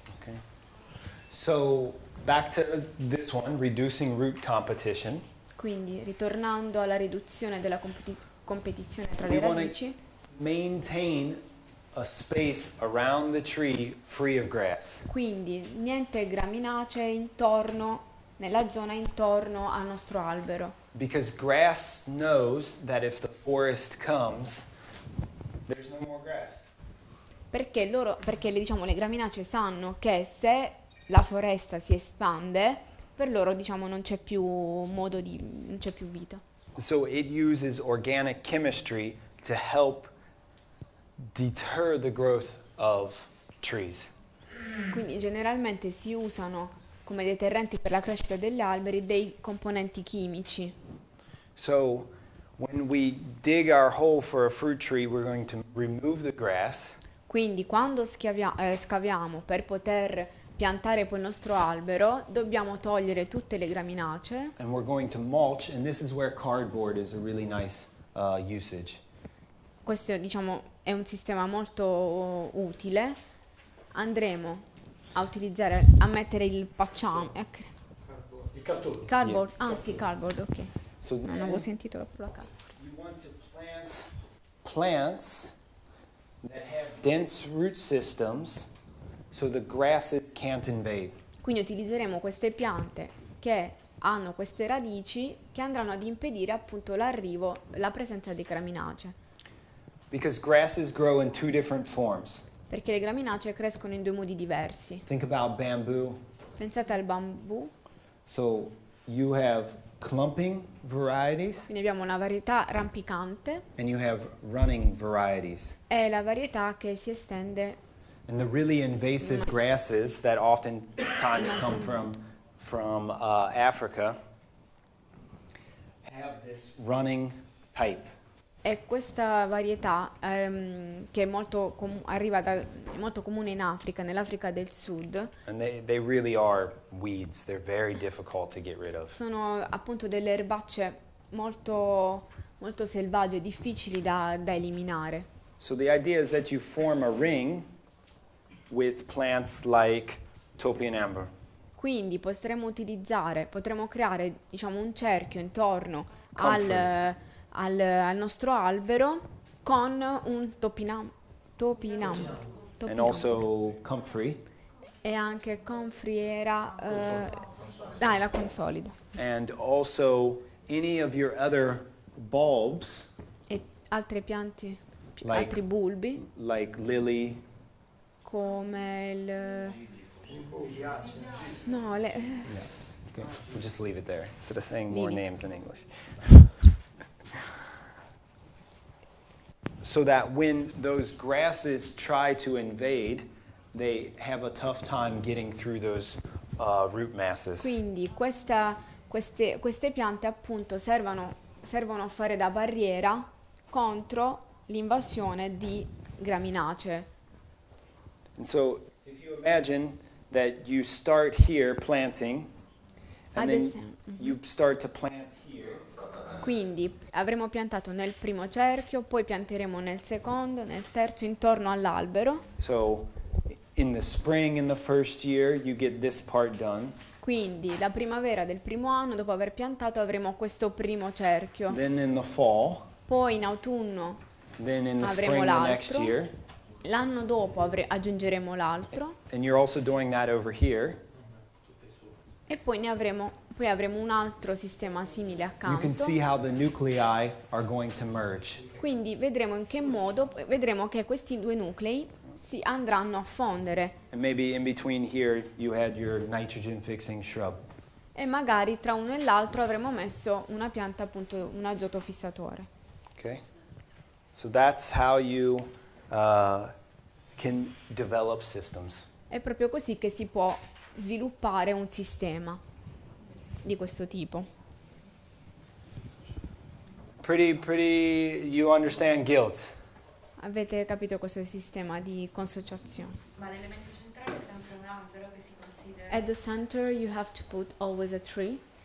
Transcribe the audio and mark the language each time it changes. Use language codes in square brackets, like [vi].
[en] Okay. So, back to this one, reducing root competition. [it] Quindi, ritornando alla riduzione della competizione tra le radici. [en] Maintain a space around the tree free of grass. [it] Quindi niente graminacee intorno nella zona intorno al nostro albero. [en] Because grass knows that if the forest comes, there's no more grass. [it] Perché diciamo le graminacee sanno che se la foresta si espande, per loro diciamo non c'è più modo di non c'è più vita. [en] So it uses organic chemistry to help deter the growth of trees. [it] Quindi generalmente si usano come deterrenti per la crescita degli alberi dei componenti chimici. [en] So when we dig our hole for a fruit tree, we're going to remove the grass. [it] Quindi quando scaviamo per poter piantare poi il nostro albero, dobbiamo togliere tutte le graminacee. [en] And we're going to mulch, and this is where cardboard is a really nice usage. [it] Questo diciamo è un sistema molto utile. Andremo a utilizzare, a mettere il pacciame. Il cardboard. Yeah. Sì, cardboard, ok. So non avevo sentito la parola cardboard. [en] You want to plants that have dense root systems so the grasses can't invade. [it] Quindi utilizzeremo queste piante che hanno queste radici che andranno ad impedire appunto l'arrivo, la presenza di graminacee. [en] Because grasses grow in two different forms. [it] Perché le graminacee crescono in due modi diversi. [en] Think about bamboo. [it] Pensate al bambù. [en] So you have clumping varieties. [it] Quindi abbiamo una varietà rampicante. [en] And you have running varieties. [it] È la varietà che si estende. [en] And the really invasive grasses that oftentimes come from Africa have this running type. [it] E questa varietà che è molto molto comune in Africa, nell'Africa del Sud. [en] And they really are weeds. They're very difficult to get rid of. [it] Sono appunto delle erbacce molto molto selvagge, difficili da eliminare. [en] So the idea is that you form a ring with plants like topinambur. [it] Quindi potremmo creare diciamo un cerchio intorno Comfort. al nostro albero con un topinambur. [en] And also comfrey. [it] E anche comfriera. Dai, la consolida. [en] And also any of your other bulbs. [it] E altre piante, altri bulbi. [en] Like lily. [it] Come il No, le... [en] Yeah. Okay. We'll just leave it there instead of saying more names in English. So that when those grasses try to invade, they have a tough time getting through those root masses. [it] Quindi queste piante appunto servono a fare da barriera contro l'invasione di graminacee. [en] And so if you imagine that you start here planting and then you start to plant here. [it] Quindi avremo piantato nel primo cerchio, poi pianteremo nel secondo, nel terzo, intorno all'albero. [en] So in the spring in the first year you get this part done. [it] Quindi la primavera del primo anno, dopo aver piantato, avremo questo primo cerchio. [en] Then in the fall, [it] poi in autunno [en] then in the [it] avremo [en] spring, [it] l'altro. [en] The next year. [it] L'anno dopo aggiungeremo l'altro. [en] And you're also doing that over here. [it] E poi ne avremo un altro sistema simile accanto. [en] You can see how the nuclei are going to merge. [it] Quindi vedremo in che modo vedremo che questi due nuclei si andranno a fondere. [en] And maybe in between here you had your nitrogen fixing shrub. [it] E magari tra uno e l'altro avremo messo una pianta appunto un azoto fissatore. [en] Okay. So that's how you can develop systems. [it] È proprio così che si può sviluppare un sistema di questo tipo. [en] Pretty you understand guilt. [it] Avete capito questo sistema di consociazione? Ma l'elemento centrale è sempre un albero che si considera. [en] At the center you have to put always a tree.